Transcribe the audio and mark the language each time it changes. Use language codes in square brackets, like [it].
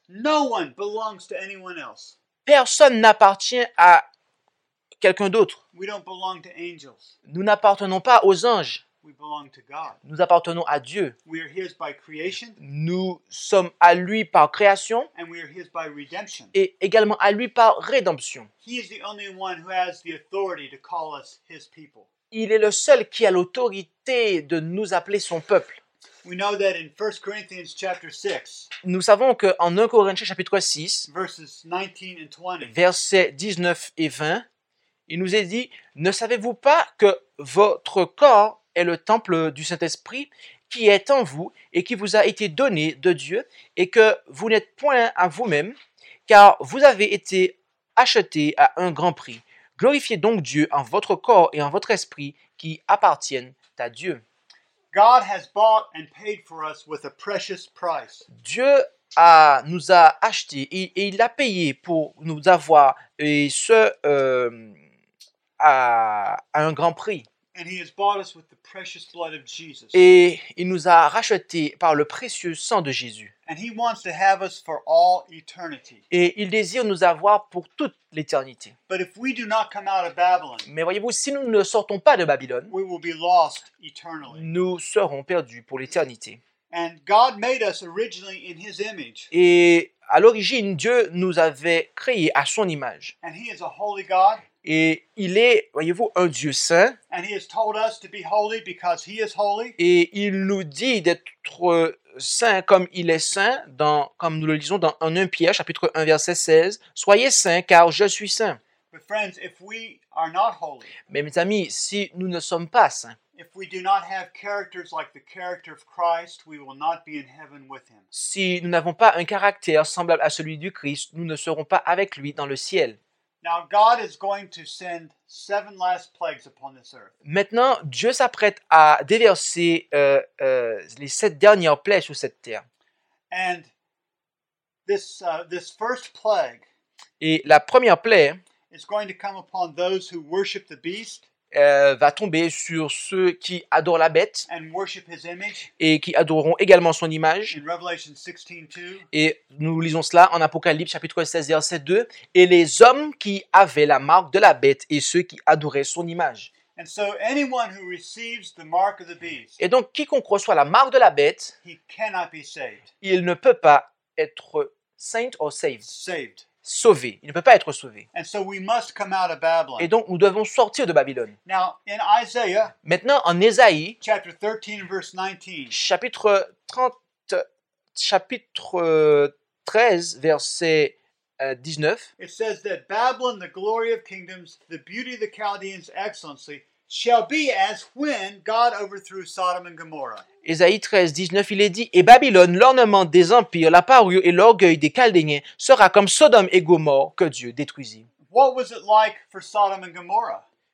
[en] No one belongs to anyone else. [fr] Personne n'appartient à quelqu'un d'autre. [en] We don't belong to angels. [fr] Nous n'appartenons pas aux anges. [en] We belong to God. [fr] Nous appartenons à Dieu. [en] We are his by creation. [fr] Nous sommes à lui par création. [en] And we are his by redemption. [fr] Et également à lui par rédemption. [en] He is the only one who has the authority to call us his people. [fr] Il est le seul qui a l'autorité de nous appeler son peuple. [en] We know that in 1 Corinthians chapter 6. [fr] Nous savons que en 1 Corinthiens chapitre 6, [en] verses 19 and 20. [fr] Versets 19 et 20, il nous est dit, ne savez-vous pas que votre corps est le temple du Saint-Esprit qui est en vous et qui vous a été donné de Dieu et que vous n'êtes point à vous-même, car vous avez été acheté à un grand prix. Glorifiez donc Dieu en votre corps et en votre esprit qui appartiennent à Dieu. [en] God has bought and paid for us with a precious price. [fr] Dieu a nous a acheté et il a payé pour nous avoir et ce à un grand prix. [en] And he has bought us with the precious blood of Jesus. [fr] Et il nous a racheté par le précieux sang de Jésus. [en] And he wants to have us for all eternity. [fr] Et il désire nous avoir pour toute l'éternité. [en] But if we do not come out of Babylon, [fr] mais voyez-vous, si nous ne sortons pas de Babylone, [en] we will be lost eternally. [fr] Nous serons perdus pour l'éternité. [en] And God made us originally in his image. [fr] Et à l'origine, Dieu nous avait créés à son image. [en] And he is a holy God. [fr] Et il est, voyez-vous, un Dieu saint. [en] And he has told us to be holy because he is holy. [fr] Et il nous dit d'être saint comme il est saint, dans, comme nous le lisons dans 1 Pierre, chapitre 1, verset 16. Soyez saints, car je suis saint. [en] But friends, if we are not holy, [fr] mais mes amis, si nous ne sommes pas saints, [en] if we do not have characters like the character of Christ, we will not be in heaven with him. [fr] Si nous n'avons pas un caractère semblable à celui du Christ, nous ne serons pas avec lui dans le ciel. [en] Now God is going to send 7 last plagues upon this earth. [fr] Maintenant, Dieu s'apprête à déverser les 7 dernières plaies sur cette terre. [en] And this first plague, [fr] et la première plaie, [en] is going to come upon those who worship the beast. [fr] Va tomber sur ceux qui adorent la bête [en] and worship his image, [fr] et qui adoreront également son image. [en] In Revelation 16:2, [fr] et nous lisons cela en Apocalypse, chapitre 16, verset 2. Et les hommes qui avaient la marque de la bête et ceux qui adoraient son image. [en] And so anyone who receives the mark of the beast, [fr] et donc, quiconque reçoit la marque de la bête, [en] he cannot be saved. [fr] Il ne peut pas être saint [en] or saved. Saved. [fr] Sauvé. Il ne peut pas être sauvé. [en] And so we must come out of Babylon. [fr] Et donc, nous devons sortir de Babylone. [en] Now, in Isaiah, [fr] maintenant, en Ésaïe, [en] chapter 13, verse 19, [fr] chapitre 30, chapitre 13, verset 19, [en] it says that Babylon, the glory of kingdoms, the beauty of the Chaldeans' excellency, shall be as when God overthrew Sodom and Gomorrah. [fr] Ésaïe 13, 19, il est dit, et Babylone, l'ornement des empires, la parure et l'orgueil des Chaldéens sera comme Sodome et Gomorrhe que Dieu détruisit. [en] What was it like for Sodom and Gomorrah?